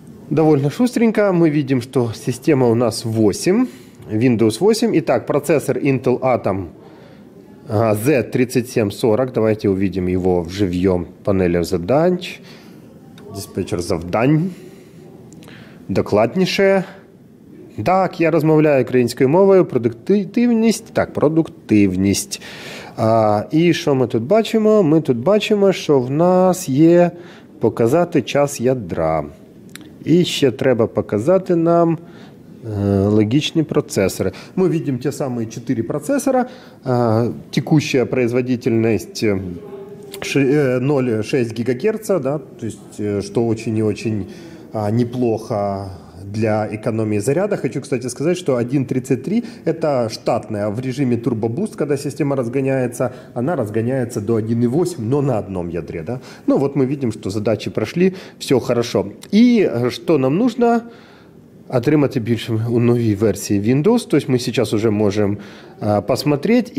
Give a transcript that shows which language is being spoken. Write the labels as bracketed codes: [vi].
[ru] Довольно шустренько мы видим, что система у нас 8, Windows 8. Итак, процессор Intel Atom Z3740, давайте увидим его в живьем панели задач. [uk] Диспетчер завдань. Докладніше. Так, я розмовляю українською мовою. Продуктивність. Так, продуктивність. І що ми тут бачимо? Ми тут бачимо, що в нас є показати час ядра. І ще треба показати нам [ru] логичные процессоры. Мы видим те самые 4 процессора. Текущая производительность 0,6 ГГц, да, то есть, что очень и очень неплохо для экономии заряда. Хочу, кстати, сказать, что 1.33 это штатная. В режиме Turbo Boost, когда система разгоняется, она разгоняется до 1.8, но на одном ядре. Да. Ну вот мы видим, что задачи прошли, все хорошо. И что нам нужно? [uk] Отримати більше у новій версії Windows. Тобто ми зараз вже можемо посмотреть.